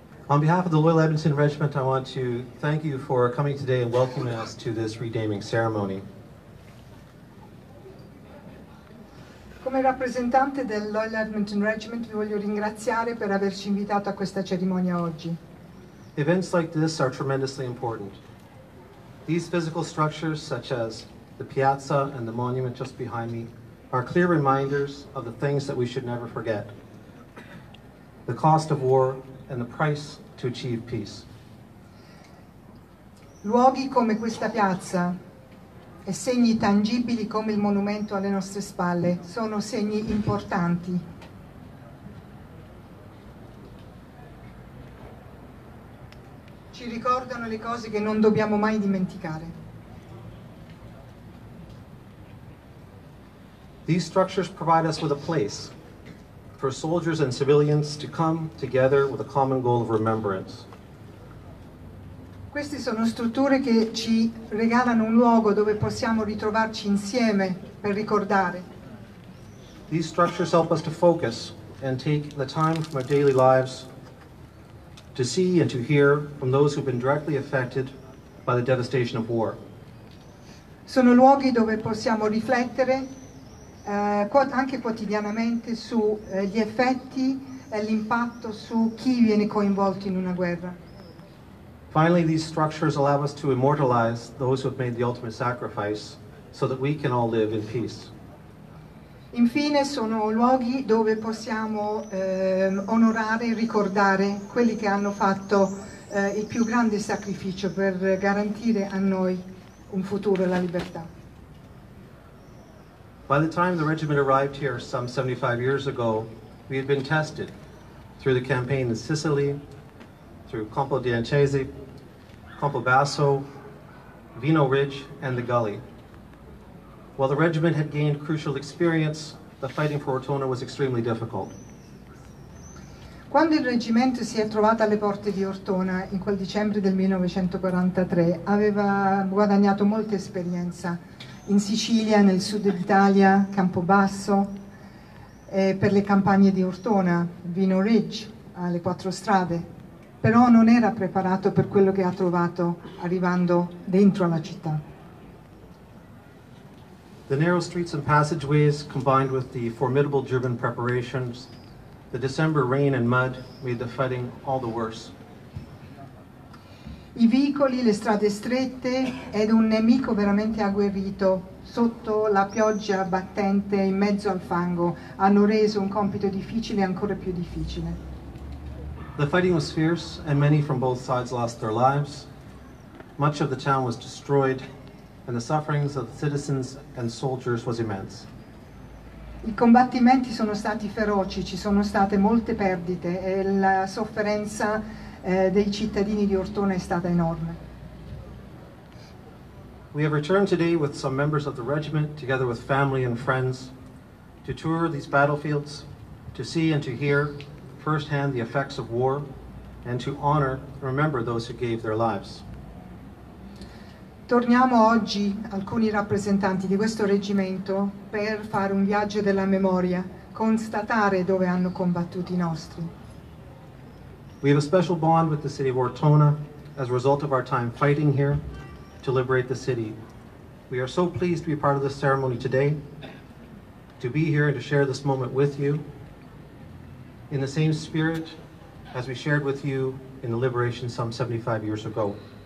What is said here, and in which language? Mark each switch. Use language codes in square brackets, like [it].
[en] On behalf of the Loyal Edmonton Regiment, I want to thank you for coming today and welcoming us to this renaming ceremony. [it] Come rappresentante del Loyal Edmonton Regiment, vi voglio ringraziare per averci invitato a questa cerimonia oggi. [en] Events like this are tremendously important. These physical structures, such as the piazza and the monument just behind me, are clear reminders of the things that we should never forget: the cost of war and the price to achieve peace. [it] Luoghi come questa piazza e segni tangibili come il monumento alle nostre spalle sono segni importanti. Ci ricordano le cose che non dobbiamo mai dimenticare. [en] These structures provide us with a place for soldiers and civilians to come together with a common goal of remembrance. [it] Queste sono strutture che ci regalano un luogo dove possiamo ritrovarci insieme per ricordare. [en] These structures help us to focus and take the time from our daily lives to see and to hear from those who've been directly affected by the devastation of war. [it] Sono luoghi dove possiamo riflettere anche quotidianamente su gli effetti e l'impatto su chi viene coinvolto in una guerra. [en] Finally, these structures allow us to immortalize those who have made the ultimate sacrifice so that we can all live in peace. [it] Infine, sono luoghi dove possiamo onorare e ricordare quelli che hanno fatto il più grande sacrificio per garantire a noi un futuro e la libertà. [en] By the time the regiment arrived here some 75 years ago, we had been tested through the campaign in Sicily, through Campo di Ancesi, Campo Basso, Vino Ridge, and the Gully. While the regiment had gained crucial experience, the fighting for Ortona was extremely difficult. [it] Quando il reggimento si è trovato alle porte di Ortona in quel dicembre del 1943, aveva guadagnato molta esperienza in Sicilia, nel sud d'Italia, Campo Basso, per le campagne di Ortona, Vino Ridge, alle quattro strade. Però non era preparato per quello che ha trovato arrivando dentro alla città. [en] The narrow streets and passageways, combined with the formidable German preparations, the December rain and mud made the fighting all the worse. [it] I vicoli, le strade strette ed un nemico veramente agguerrito sotto la pioggia battente in mezzo al fango hanno reso un compito difficile ancora più difficile. [en] The fighting was fierce and many from both sides lost their lives. Much of the town was destroyed and the sufferings of the citizens and soldiers was immense. [it] I combattimenti sono stati feroci, ci sono state molte perdite e la sofferenza dei cittadini di Ortona è stata enorme. [en] We have returned today with some members of the regiment, together with family and friends, to tour these battlefields, to see and to hear firsthand the effects of war, and to honor and remember those who gave their lives. [it] Torniamo oggi, alcuni rappresentanti di questo reggimento, per fare un viaggio della memoria, constatare dove hanno combattuto i nostri. [en] We have a special bond with the city of Ortona as a result of our time fighting here to liberate the city. We are so pleased to be part of this ceremony today, to be here and to share this moment with you in the same spirit as we shared with you in the liberation some 75 years ago.